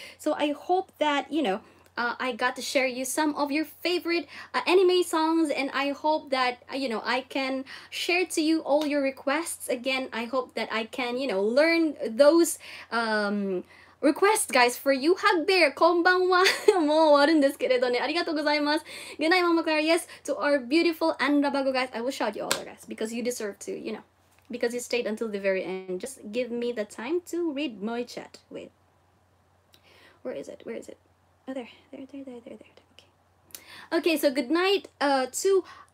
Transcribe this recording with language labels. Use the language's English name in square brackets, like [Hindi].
[English] So I hope that, you know, I got to share you some of your favorite anime songs, and I hope that, you know, I can share to you all your requests. Again, I hope that I can, you know, learn those requests, guys, for you. Hug bear, konbanwa. [Japanese] もう終わるんですけれどね。ありがとうございます。 [English] Good night, Mama Clara. Yes, to our beautiful Anrabago, guys. I will shout you all, guys, because you deserve to, you know, because you stayed until the very end. Just give me the time to read my chat. Wait. Where is it? Oh, there. Okay. Okay, so good night to...